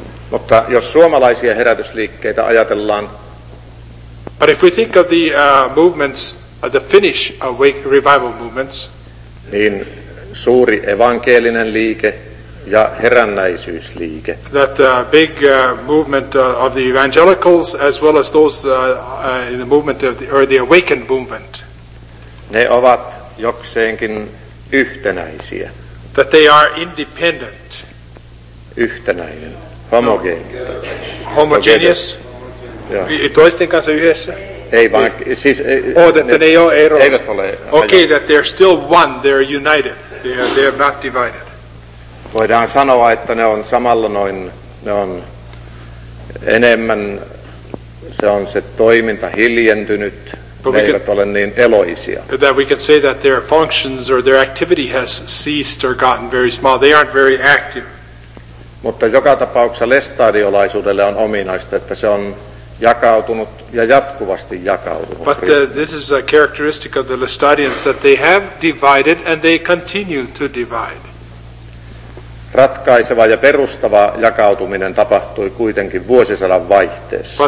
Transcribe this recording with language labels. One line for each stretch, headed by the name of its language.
Finnish: Mutta jos suomalaisia herätysliikkeitä ajatellaan,
English: but if we think of the movements, the Finnish awake revival movements,
Finnish: niin suuri evankeelinen liike ja herännäisyysliike,
English: that big movement of the evangelicals as well as those in the movement of the, or the awakened movement,
Finnish: ne ovat jokseenkin yhtenäisiä,
English: that they are independent,
Finnish: yhtenäinen, homogeeninen,
English: homogeneous.
Finnish: Toisten kanssa yhdessä? Ei vaan, siis ne eivät ole.
English: Okay, that they're still one, they're united. They have not divided.
Finnish: Voidaan sanoa, että ne on samalla noin, ne on enemmän, se on se toiminta hiljentynyt, ne eivät ole niin eloisia.
English: That we can say that their functions or their activity has ceased or gotten very small. They aren't very active.
Finnish: Mutta joka tapauksessa lestadiolaisuudelle on ominaista, että se on jakautunut ja jatkuvasti jakautunut.
English: But this is a characteristic of the Lestadians, that they have divided and they continue to divide.
Finnish: Ratkaiseva ja perustava jakautuminen tapahtui kuitenkin vuosisadan vaihteessa.